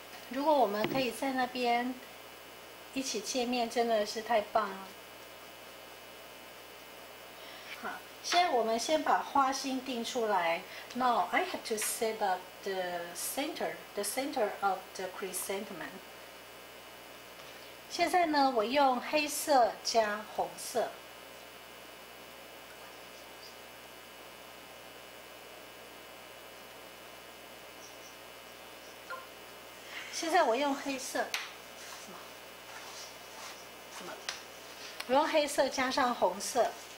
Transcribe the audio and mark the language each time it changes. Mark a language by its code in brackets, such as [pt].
[zh] 如果我们可以在那边一起见面，真的是太棒了。现在我们先把花心定出来。 [en] Now I have to set up the center of the chrysanthemum. [zh] 现在呢，我用黑色加红色。现在我用黑色，我用黑色加上红色。